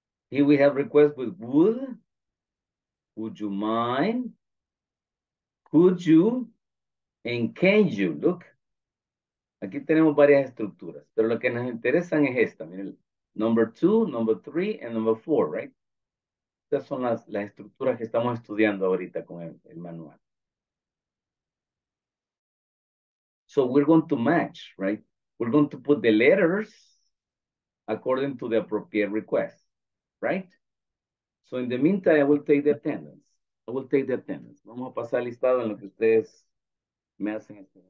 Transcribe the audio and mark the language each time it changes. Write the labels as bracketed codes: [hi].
[en] Here we have requests with would you mind, could you, and can you. Look, [es] aquí tenemos varias estructuras, pero lo que nos interesan es esta. Miren, [en] number two, number three, and number four, right? [es] Estas son las estructuras que estamos estudiando ahorita con el manual. [en] So we're going to match, right? We're going to put the letters according to the appropriate request, right? So in the meantime, I will take the attendance. I will take the attendance. [es] Vamos a pasar listado en lo que ustedes me hacen.